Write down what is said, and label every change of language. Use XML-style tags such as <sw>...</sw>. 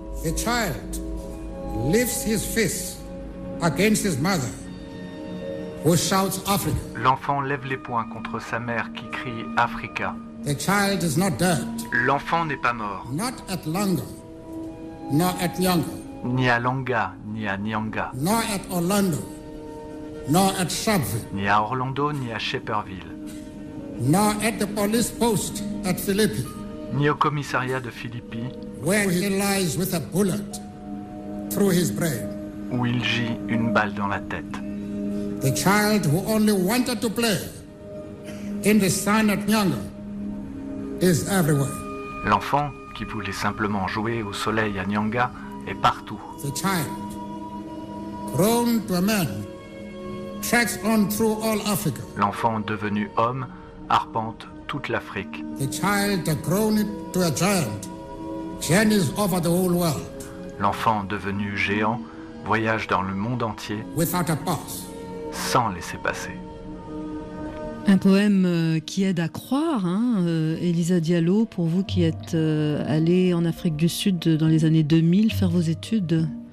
<en>The child lifts his fist against his mother, who shouts Africa.</en> <fr>L'enfant lève les poings contre sa mère qui crie Africa.</fr> <en>The child is not dead.</en> <fr>L'enfant n'est pas mort.</fr> <en>Not at Langa, nor at Nyanga.</en> <fr>Ni à Langa, ni à Nyanga.</fr> <en>Nor at Orlando, nor at Sharpeville.</en> <fr>Ni à Orlando, ni à Shepherdville.</fr> <en>Nor at the police post at Philippi.</en> <fr>Ni au commissariat de Philippi.</fr> <en>Where he lies with a bullet through his brain.</en> <fr>Où il gît une balle dans la tête.</fr> <en>The child who only wanted to play in the sun at Nyanga is everywhere.</en> <fr>L'enfant qui voulait simplement jouer au soleil à Nyanga et partout.</fr> <en>The child, grown to a man, tracks on through all Africa.</en> <fr>L'enfant devenu homme arpente toute l'Afrique.</fr> <en>The child, grown to a giant, journeys over the whole world.</en> <fr>L'enfant devenu géant voyage dans le monde entier.</fr> <en>Without a pass.</en> <fr>Sans laisser passer. Un poème qui aide à croire, hein, Elisa Diallo, pour vous qui êtes allée en Afrique du Sud dans les années 2000 faire vos études.</fr>